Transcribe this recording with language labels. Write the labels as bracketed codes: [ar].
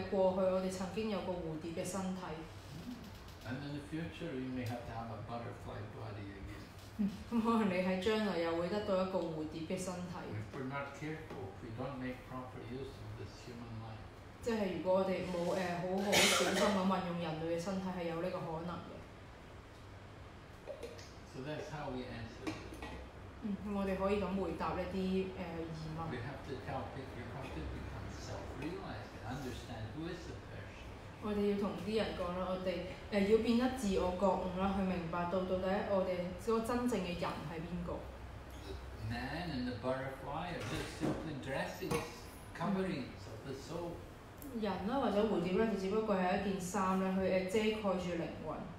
[yue] 我哋依家人類身體啦，但係可能喺過去我哋曾經有個蝴蝶嘅身體。 [en] And in the future we may have to have a butterfly body again. [yue] 可能你喺將來又會得到一個蝴蝶嘅身體。 [en] If we're not careful, if we don't make proper use of this human life. [yue] 即係如果我哋冇好好小心咁運用人類嘅身體，係有呢個可能嘅。 [en] So that's how we answer. [yue] 我哋可以咁回答一啲疑問。 [en] We have to tell people, you have to become self-realized and understand who is the person. [yue] 我哋要同啲人講啦，我哋要變得自我覺悟啦，去明白到底我哋嗰個真正嘅人係邊個。 [en] Man and the butterfly are just simply dressings, coverings of the soul. [yue] 人啦，或者蝴蝶咧，就只不過係一件衫咧，去遮蓋住靈魂。